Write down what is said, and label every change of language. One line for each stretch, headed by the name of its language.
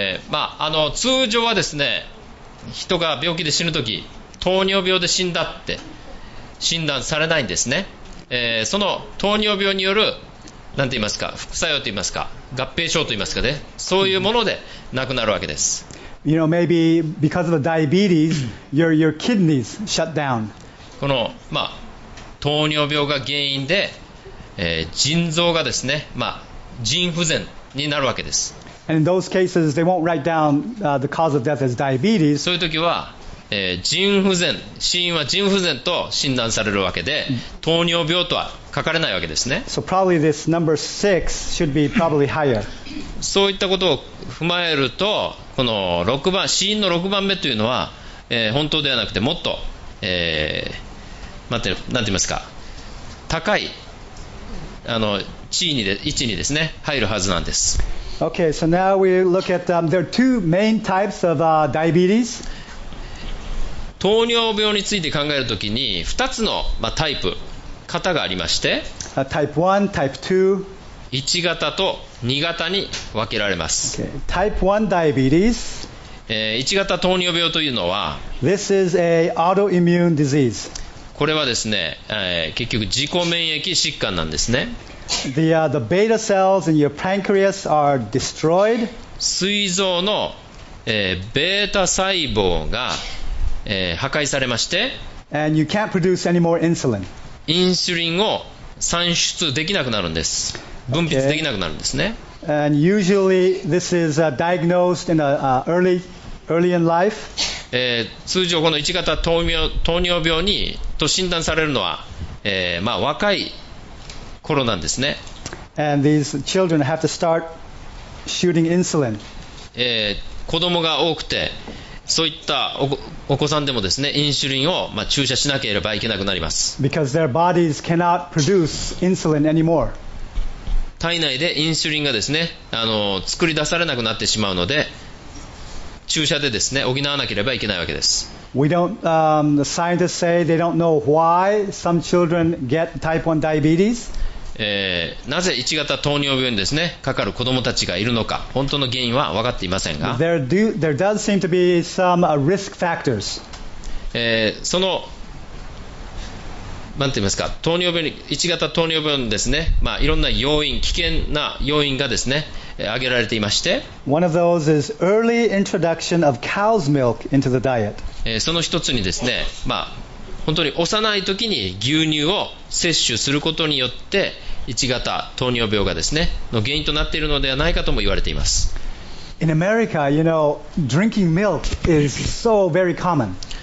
Japanese: まあ、通常はですね、人が病気で死ぬとき、糖尿病で死んだって診断されないんですね。その糖尿病によるなんて言いますか、副作用と言いますか、合併症と言いますかね、そういうもので亡くなるわけです。
English: you know, maybe because of the diabetes, your kidneys shut down.
Japanese: この、まあ、糖尿病が原因で、腎臓がですね、まあ、腎不全になるわけです。
English: And in those cases, they won't write down the cause of death as diabetes.
Japanese: そういう時は、腎不全、死因は腎不全と診断されるわけで、糖尿病とは書かれないわけですね。
English: So probably this number six should be probably higher.
Japanese: そういったことを踏まえると、この6番、死因の6番目というのは、本当ではなくてもっと、待って、なんて言いますか、高い、あの、地位に、位置にですね、入るはずなんです。
English: Okay, so now we look at there are two main types of diabetes.
Japanese: 糖尿病について考えるときに2つの、まあ、タイプ、型がありまして、
English: type 1, type 2.
Japanese: 1型と2型に分けられます。
English: Okay. Type 1 diabetes.
Japanese: 1型糖尿病というのは、
English: This is a autoimmune disease.
Japanese: これはですね、結局自己免疫疾患なんですね。
English: The beta cells in your pancreas are destroyed.
Japanese: 膵臓の、beta 細胞が、破壊されまして、
English: And you can't produce any more insulin.
Japanese: インスリンを産出できなくなるんです。分泌できなくなるんですね。
English: Okay. And usually this is diagnosed in a early in life.
Japanese: 通常この1型糖尿病にと診断されるのは、まあ、若い頃なんですね。
English: And these children have to start shooting insulin.
Japanese: 子供が多くて、そういったお子さんでもですね、インシュリンを、まあ、注射しなければいけなくなります。
English: Because their bodies cannot produce insulin anymore.
Japanese: 体内でインシュリンがですね、作り出されなくなってしまうので、注射でですね、補わなければいけないわけです。
English: We don't, the scientists say they don't know why some children get type 1 diabetes.
Japanese: なぜ1型糖尿病にですね、かかる子どもたちがいるのか、本当の原因は分かっていませんが、
English: there does seem to be some risk factors.
Japanese: その、なんて言いますか、糖尿病に、1型糖尿病にですね、まあ、いろんな要因、危険な要因がですね、挙げられていまして、
English: One of those is early introduction of cow's milk into the diet.
Japanese: その一つにですね、まあ本当に幼い時に牛乳を摂取することによって1型糖尿病がですねの原因となっているのではないかとも言われています。
English: In America, you know, drinking milk is so very common.